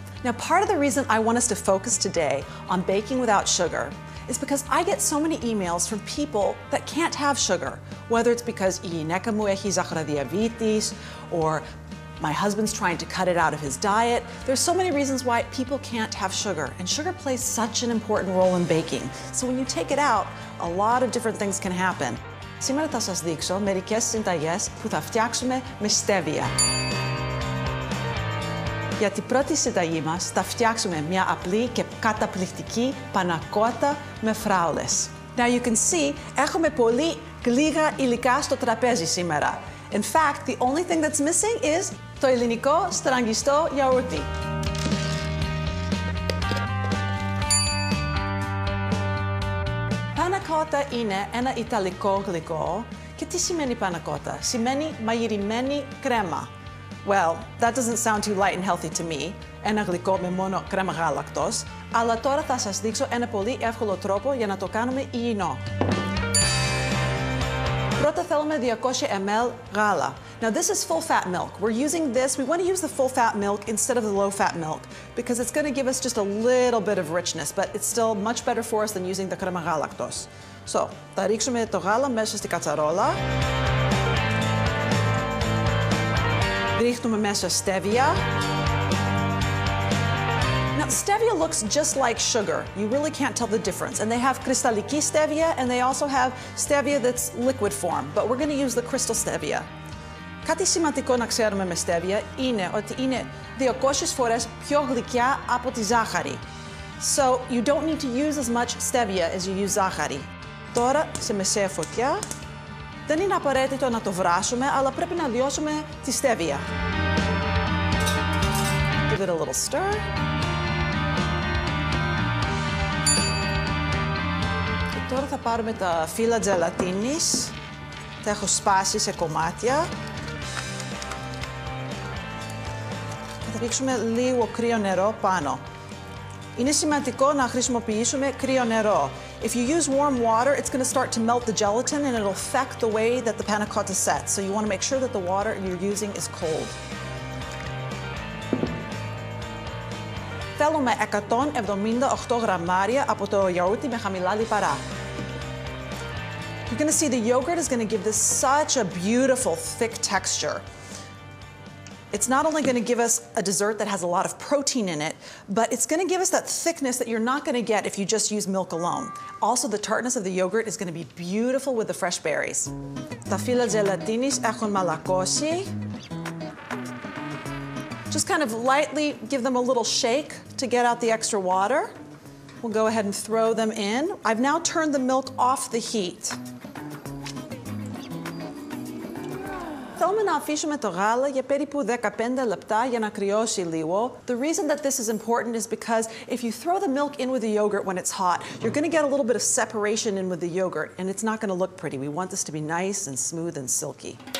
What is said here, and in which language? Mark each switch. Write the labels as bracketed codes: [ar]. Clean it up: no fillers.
[en] Now part of the reason I want us to focus today on baking without sugar is because I get so many emails from people that can't have sugar, whether it's because [el] I nekamu echi zachara [en] diabetes or my husband's trying to cut it out of his diet. There's so many reasons why people can't have sugar, and sugar plays such an important role in baking. So when you take it out, a lot of different things can happen. [el] Σήμερα θα σας δείξω μερικές συνταγές που θα φτιάξουμε με στέβια. Για την πρώτη συνταγή μας θα φτιάξουμε μια απλή και καταπληκτική πανακότα με φράουλες. [en] Now you can see, [el] έχουμε πολύ γλυκά υλικά στο τραπέζι σήμερα. [en] In fact, the only thing that's missing is [el] το ελληνικό στραγγιστό γιαούρτι. Πανακότα είναι ένα ιταλικό γλυκό. Και τι σημαίνει πανακότα? Σημαίνει μαγειρημένη κρέμα. [en] Well, that doesn't sound too light and healthy to me. [el] Ένα γλυκό με μόνο κρέμα γάλακτος. Αλλά τώρα θα σας δείξω ένα πολύ εύκολο τρόπο για να το κάνουμε υγιεινό. Πρώτα θέλουμε 200 ml γάλα. [en] Now this is full fat milk. We're using this, we want to use the full fat milk instead of the low fat milk because it's going to give us just a little bit of richness, but it's still much better for us than using the [el] crema galactose. So, θα ρίξουμε το γάλα μέσα στη κατσαρόλα. Ρίχνουμε μέσα στέβια. [en] Now, stevia looks just like sugar. You really can't tell the difference. And they have [el] κρυσταλλική [en] stevia and they also have stevia that's liquid form, but we're going to use the crystal stevia. [el] Κάτι σημαντικό να ξέρουμε με στέβια είναι ότι είναι 200 φορές πιο γλυκιά από τη ζάχαρη. [en] So you don't need to use as much stevia as you use [el] ζάχαρη. Τώρα σε μεσαία φωτιά. Δεν είναι απαραίτητο να το βράσουμε, αλλά πρέπει να λιώσουμε τη στέβια. [en] Give it a little stir. [el] Και τώρα θα πάρουμε τα φύλλα τζελατίνης. Τα έχω σπάσει σε κομμάτια. Θα ρίξουμε λίγο κρύο νερό πάνω. Είναι σημαντικό να χρησιμοποιήσουμε κρύο νερό. [en] If you use warm water, it's going to start to melt the gelatin and it'll affect the way that the panna cotta sets. So you want to make sure that the water you're using is cold. [el] Θέλουμε 178 γραμμάρια από το γιαούρτι με χαμηλά λιπαρά. [en] You're going to see the yogurt is going to give this such a beautiful thick texture. It's not only going to give us a dessert that has a lot of protein in it, but it's going to give us that thickness that you're not going to get if you just use milk alone. Also, the tartness of the yogurt is going to be beautiful with the fresh berries. [el] Τα φύλλα γελατίνης έχουν μαλακώσει. [en] Just kind of lightly give them a little shake to get out the extra water. We'll go ahead and throw them in. I've now turned the milk off the heat. [el] Θέλουμε να αφήσουμε το γάλα για περίπου 15 λεπτά για να κρυώσει λίγο. [en] The reason that this is important is because if you throw the milk in with the yogurt when it's hot, you're going to get a little bit of separation in with the yogurt, and it's not going to look pretty. We want this to be nice and smooth and silky.